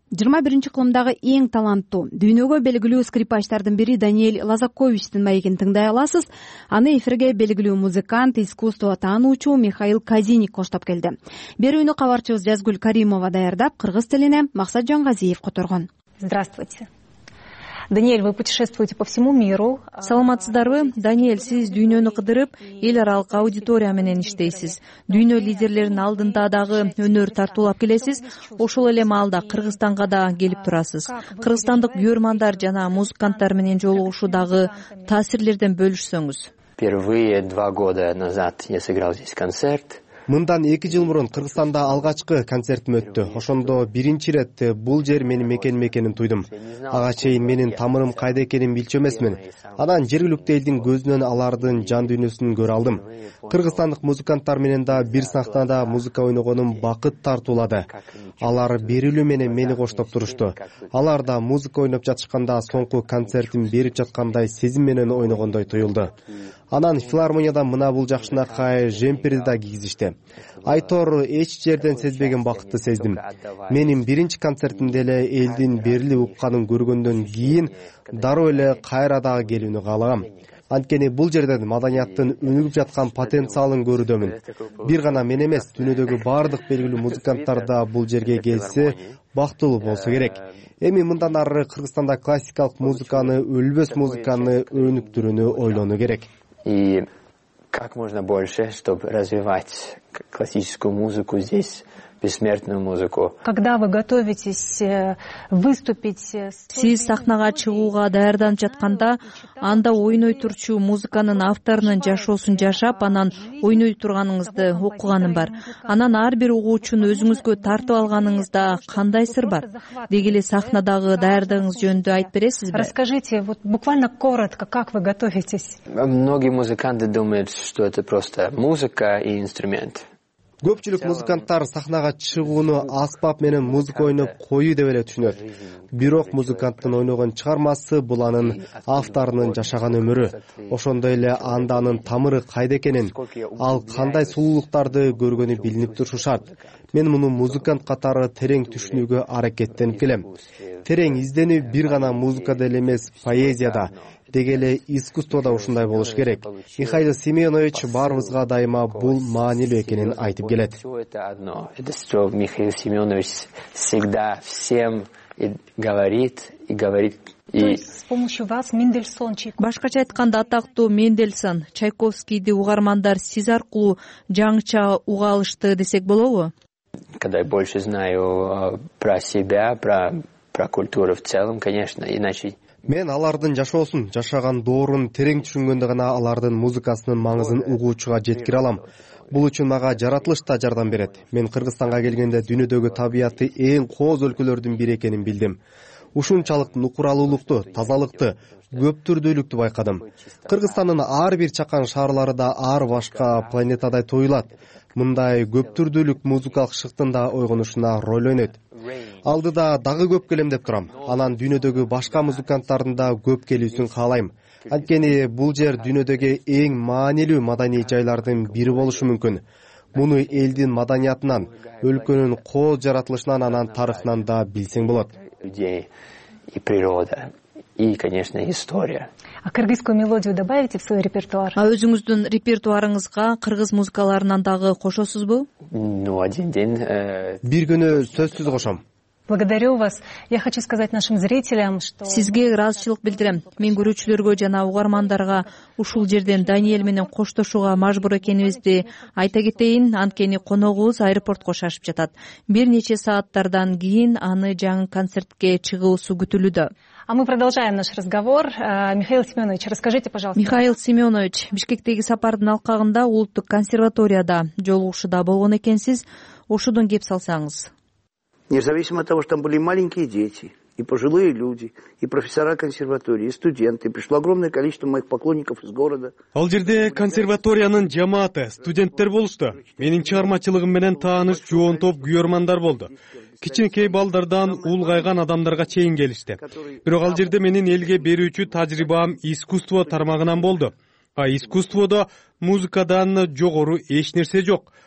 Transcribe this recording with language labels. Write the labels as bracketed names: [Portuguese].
[Kyrgyz] 21-чи кылымдагы эң таланттуу, дүйнөгө белгилүү скрипачтардын бири Даниэль Лазаковичтин маегин тыңдай аласыз. Аны эфирге белгилүү музыкант, искусство таануучу Михаил Казиник коштоп келди. Берүүнү кабарчыбыз Жазгүл Каримова даярдап, кыргыз тилине Максат Жангазиев которгон. [Russian] Здравствуйте. Даниэль, вы путешествуете по всему миру. [Kyrgyz] Саламатсыздарбы. Даниэль, сиз дүйнөнү кыдырып, эл аралык аудитория менен иштейсиз. Дүйнө лидерлерин алдында дагы өнөр тартуулап келесиз. Ошол эле маалда Кыргызстанга да келип турасыз. Кыргызстандык көрөрмандар жана музыканттар менен жолугушуу дагы таасирлерден бөлүшсөңүз. [Russian] Впервые 2 года назад я сыграл здесь концерт. [Kyrgyz] Мындан 2 жыл мурун Кыргызстанда алгачкы концертим өттү. Ошондо биринчи ирет бул жер менин мекеним экенин туйдум. Ага чейин менин тамырым кайда экенин билчү эмесмин. Анан жергиликтүү элдин көзүнөн алардын жан дүйнөсүн көрө алдым. Кыргызстандык музыканттар менен да бир сахнада музыка ойногонум бакыт тартуулады. Алар берилүү менен мени коштоп турушту. Алар да музыка ойноп жатышканда соңку концертим берип жаткандай сезим менен ойногондой туюлду. Анан филармониядан мына бул жакшынакай жемпирди да кийгизишти. Айтор эч жерден сезбеген бакытты сездим. Менин биринчи концертимде эле элдин берили укканын көргөндөн кийин дароо эле кайра дагы келүүнү каалагам. Анткени бул жерден маданияттын өнүгүп жаткан потенциалын көрүүдөмүн. Бир гана мен эмес, дүйнөдөгү бардык белгилүү музыканттар да бул жерге келсе бактылуу болсо керек. Эми мындан ары Кыргызстанда классикалык музыканы, өлбөс музыканы өнүктүрүүнү ойлону керек. [Russian] И как можно больше, чтобы развивать классическую музыку здесь, бессмертную музыку. Когда вы готовитесь выступить? [Kyrgyz] Сиз сахнага чыгууга даярданып жатканда, анда ойной турчу музыканын авторунун жашоосун жашап, анан ойной турганыңызды окуганым бар. Анан ар бир угуучуну өзүңүзгө тартып алганыңызда кандай сыр бар? Дегиле сахнадагы даярдыгыңыз жөнүндө айтып бересизби? [Russian] Расскажите вот буквально коротко, как вы готовитесь? Многие музыканты думают, что это просто музыка и инструмент. [Kyrgyz] Көпчүлүк музыканттар сахнага чыгууну аспап менен музыка ойноп коюу деп эле түшүнөт. Бирок музыканттын ойногон чыгармасы бул анын автордун жашаган өмүрү. Ошондой эле анда анын тамыры кайда экенин, ал кандай сулуулуктарды көргөнү билинип турушу шарт. Мен муну музыкант катары терең түшүнүүгө аракеттенип келем. Терең изденүү бир гана музыка деле эмес, поэзияда дегеле искусство да ушундай болуш керек. Михаил Семенович баарыбызга дайыма бул маанилүү экенин айтып келет. [Russian] Михаил Семенович всегда всем говорит и говорит. То есть с помощью вас Мендельсон Чайковский. [Kyrgyz] Башкача айтканда атактуу Мендельсон Чайковскийди угармандар сиз аркылуу жаңча уга алышты десек болобу? [Russian] Когда я больше знаю про себя, про культуру в целом, конечно, иначе. [Kyrgyz] Мен алардын жашоосун, жашаган доорун терең түшүнгөндө гана алардын музыкасынын маңызын угуучуга жеткире алам. Бул үчүн мага жаратылыш да жардам берет. Мен Кыргызстанга келгенде дүйнөдөгү табияты эң кооз өлкөлөрдүн бири экенин билдим. Ушунчалык нукуралуулукту, тазалыкты, көп түрдүүлүктү байкадым. Кыргызстандын ар бир чакан шаарлары да ар башка планетадай тоюлат. Мындай көп түрдүүлүк музыкалык шыктын да ойгонушуна роль ойнойт. Алдыда дагы көп келем деп турам. Анан дүйнөдөгү башка музыканттардын да көп келүүсүн каалайм. Анткени бул жер дүйнөдөгү эң маанилүү маданий жайлардын бири болушу мүмкүн. Муну элдин маданиятынан, өлкөнүн кооз жаратылышынан, анан тарыхынан да билсең болот. [Russian] Людей и природа, и, конечно, история. А кыргызскую мелодию добавите в свой репертуар? [Kyrgyz] А өзүңүздүн репертуарыңызга кыргыз музыкаларынан дагы кошосузбу? [Russian] Ну, один день. [Kyrgyz] Бир күнү сөзсүз кошом. [Russian] Благодарю вас. Я хочу сказать нашим зрителям, что... [Kyrgyz] Сизге ыраазычылык билдирем. Мен көрүүчүлөргө жана угармандарга ушул жерден Даниэль менен коштошууга мажбур экенибизди айта кетейин, анткени коногубуз аэропортко шашып жатат. Бир нече сааттардан кийин аны жаңы концертке чыгуусу күтүлүүдө. [Russian] А мы продолжаем наш разговор. Михаил Семенович, расскажите, пожалуйста. [Kyrgyz] Михаил Семенович, Бишкектеги сапардын алкагында улуттук консерваторияда жолугушууда болгон экенсиз, ушудун кеп салсаңыз. [Russian] Независимо от того, что там были маленькие дети, и пожилые люди, и профессора консерватории, и студенты, пришло огромное количество моих поклонников из города. [Kyrgyz] Ал жерде консерваториянын жамааты, студенттер болушту. Менин чыгармачылыгым менен тааныш жоон топ күйөрмандар болду. Кичинекей балдардан улгайган адамдарга чейин келишти. Бирок ал жерде менин элге берүүчү тажрыйбам искусство тармагынан болду. А искусствода музыкадан жогору эч нерсе жок.